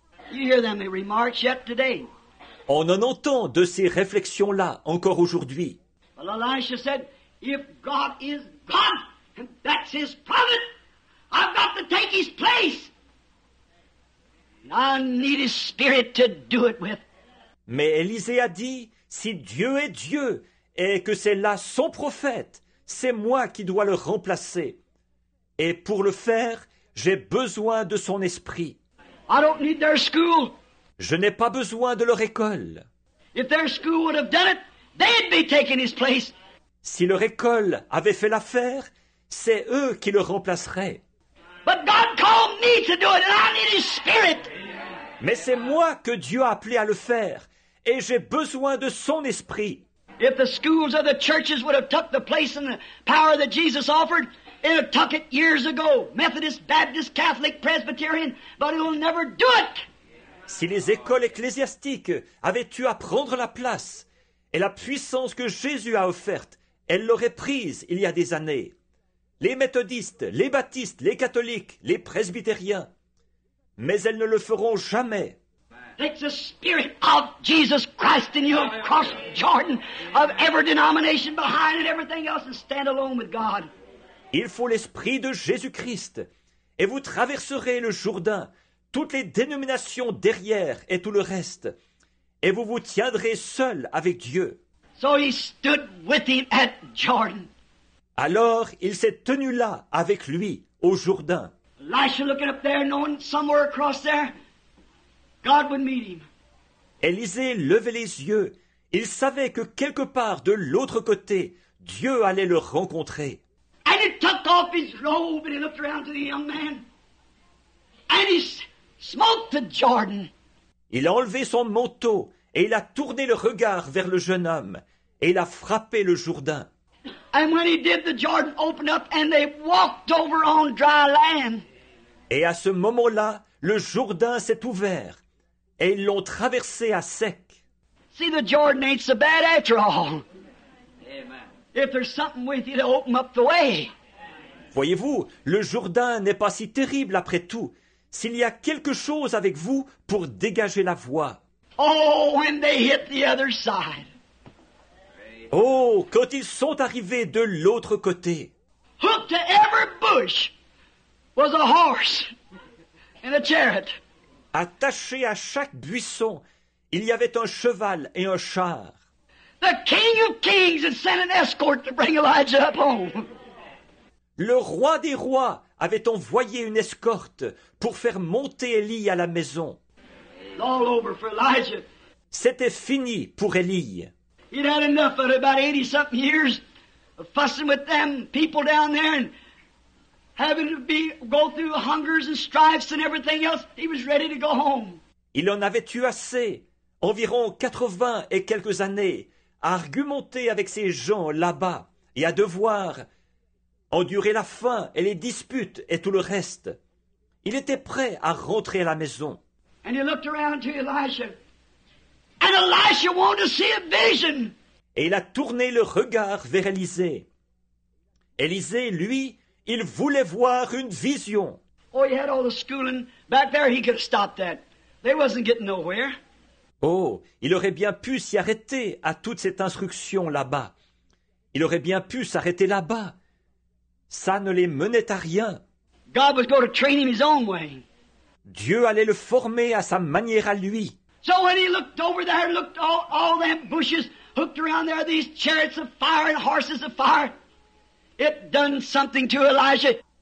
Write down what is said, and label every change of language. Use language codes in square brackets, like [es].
[en] You hear them, they remark yet today. [fr] On en entend de ces réflexions-là encore aujourd'hui. [en] Well, Elisha said, if God is God, that's his prophet, I've got to take his place. I need his spirit to do it with. [fr] Mais Élisée a dit, Si Dieu est Dieu et que c'est là son prophète, c'est moi qui dois le remplacer. Et pour le faire, j'ai besoin de son esprit. [en] I don't need their school. [fr] Je n'ai pas besoin de leur école. [en] If their school would have done it, they'd be taking his place. [fr] Si leur école avait fait l'affaire, c'est eux qui le remplaceraient. [en] But God called me to do it, and I need his spirit. [fr] Mais c'est moi que Dieu a appelé à le faire, et j'ai besoin de son esprit. [en] If the schools or the churches would have took the place and the power that Jesus offered, it would have took it years ago. Methodist, Baptist, Catholic, Presbyterian, but it will never do it. [fr] Si les écoles ecclésiastiques avaient eu à prendre la place et la puissance que Jésus a offerte, elles l'auraient prise il y a des années. Les méthodistes, les baptistes, les catholiques, les presbytériens. Mais elles ne le feront jamais. [en] It's the spirit of Jesus Christ in you across Jordan of every denomination behind and everything else and stand alone with God. [fr] Il faut l'esprit de Jésus-Christ et vous traverserez le Jourdain, toutes les dénominations derrière et tout le reste, et vous vous tiendrez seul avec Dieu. [en] So he stood with him at Jordan. [fr] Alors, il s'est tenu là avec lui, au Jourdain. [en] Elisha looking up there, knowing somewhere across there, God would meet him. [fr] Élisée levait les yeux. Il savait que quelque part de l'autre côté, Dieu allait le rencontrer. [en] And he took off his robe and he looked around to the young man. And he smote the Jordan. [fr] Il a enlevé son manteau et il a tourné le regard vers le jeune homme et il a frappé le Jourdain. [en] And when he did, the Jordan opened up and they walked over on dry land. [fr] Et à ce moment-là, le Jourdain s'est ouvert et ils l'ont traversé à sec. [en] See, the Jordan ain't so bad after all. If there's something with you to open up the way. [fr] Voyez-vous, le Jourdain n'est pas si terrible après tout. S'il y a quelque chose avec vous pour dégager la voie. [en] Oh, when they hit the other side. [fr] Oh, quand ils sont arrivés de l'autre côté. [en] Hooked to every bush was a horse and a chariot. [fr] Attaché à chaque buisson, il y avait un cheval et un char. [en] The King of Kings had sent an escort to bring Elijah up home. [fr] Le roi des rois avait envoyé une escorte pour faire monter Élie à la maison. [en] It's all over for Elijah. [fr] C'était fini pour Élie. [en] He'd had enough of about 80-something years of fussing with them people down there and having to be go through hungers and strifes and everything else. He was ready to go home. [fr] Il en avait eu assez, environ 80 et quelques années, à argumenter avec ces gens là-bas et à devoir endurer la faim et les disputes et tout le reste. Il était prêt à rentrer à la maison. [en] And he looked around to Elisha. And Elisha wanted to see a vision. [fr] Et il a tourné le regard vers Élisée. Élisée, lui, il voulait voir une vision. [en] Oh, he had all the schooling back there, he could have stopped that. They wasn't getting nowhere. [fr] Oh, il aurait bien pu s'y arrêter à toute cette instruction là-bas. Il aurait bien pu s'arrêter là-bas. Ça ne les menait à rien. [en] God was going to train him his own way. [fr] Dieu allait le former à sa manière à lui. [en] So when he looked over there, looked all them bushes hooked around there, these chariots of fire and horses of fire, it done something to Elijah.